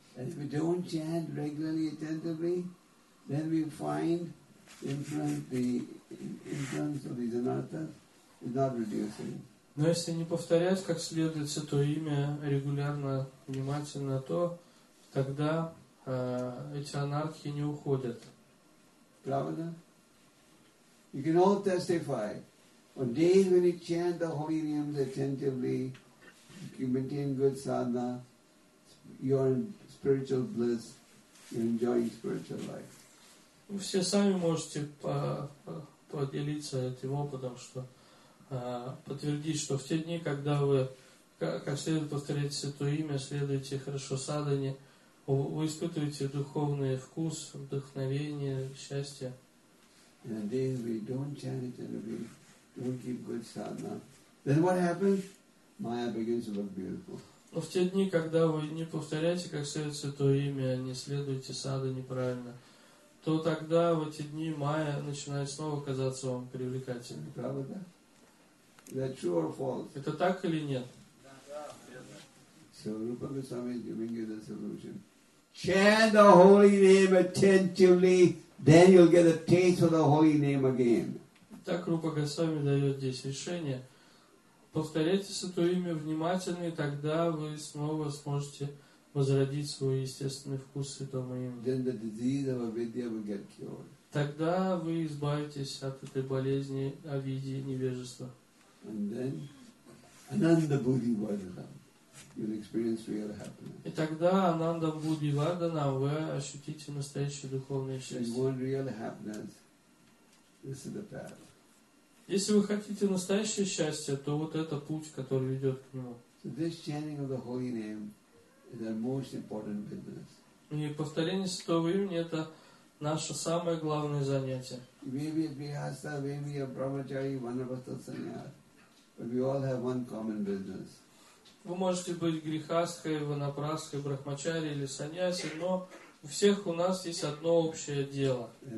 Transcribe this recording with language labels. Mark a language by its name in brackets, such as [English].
[English] If we don't chant regularly, attentively, then we find the influence of these anarthas is not reducing. [Russian] Но если не повторять как следует святое имя регулярно, внимательно, то тогда эти анархи не уходят. Правда? [English] You can all testify. On days when you chant the holy names attentively, you maintain good sadhana, you're in spiritual bliss, you're enjoying spiritual life. [Russian] Вы все сами можете поделиться этим опытом, что подтвердить, что в те дни, когда вы как следует повторяете святое имя, следуете хорошо садхане, вы испытываете духовный вкус, вдохновение, счастье. [English] In the days we don't chant it and we don't keep good sadhana, then what happens? Maya begins to look beautiful. [Russian] Но в те дни, когда вы не повторяете как следует святое имя, не следуете садхане правильно, то тогда в эти дни майя начинает снова казаться вам привлекательной. Правда? [English] Is that true or false? [Russian] Это так или нет? [English] So Rupa Goswami is giving you the solution. Chant the holy name attentively, then you'll get a taste of the holy name again. [Russian] Так Рупа Госвами дает здесь решение. Повторяйте святое имя внимательно, и тогда вы снова сможете возродить свой естественный вкус святого имени. [English] Then the disease of avidya will get cured. [Russian] Тогда вы избавитесь от этой болезни авидии, невежества. [English] And then Ananda Buddhi Vardhanam. You'll experience real happiness. [Russian] И тогда Ананда Буддхи Варданам вы ощутите настоящее духовное счастье. [English] You want real happiness. This is the path. [Russian] Если вы хотите настоящее счастье, то вот это путь, который ведет к нему. [English] So this chanting of the holy name is our most important business. [Russian] И повторение святого имени это наше самое главное занятие. [English] Maybe a Grihastha, maybe a Brahmachari, Vanaprastha Sannyas, but we all have one common business. [Russian] Вы можете быть Грихастхой, Ванапрастхой, Брахмачари или Саньяси, но у всех у нас есть одно общее дело.